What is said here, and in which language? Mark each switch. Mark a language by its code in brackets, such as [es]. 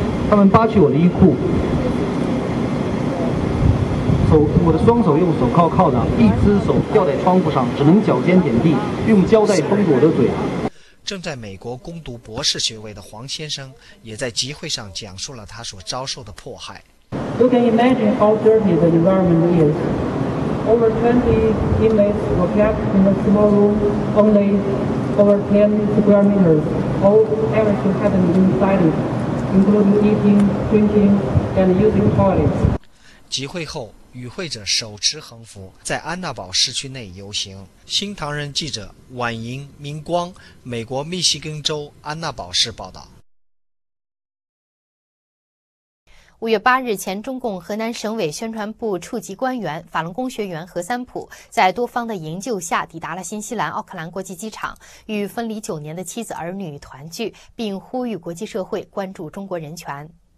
[zh] 他们扒去我的衣裤，我的双手用手铐铐着，一只手吊在窗户上，只能脚尖点地，用胶带封住我的嘴。正在美国攻读博士学位的黄先生也在集会上讲述了他所遭受的迫害。 [en] You can imagine how dirty the environment is. Over 20 inmates were kept in a small room, only over 10 square meters. All everything hadn't been decided, including eating, drinking, and using toilets. [zh] 集会后，与会者手持横幅在安娜堡市区内游行。新唐人记者婉莹、明光，美国密西根州安娜堡市报道。 5月8日前，中共河南省委宣传部处级官员、法轮功学员何三普在多方的营救下抵达了新西兰奥克兰国际机场，与分离9年的妻子儿女团聚，并呼吁国际社会关注中国人权。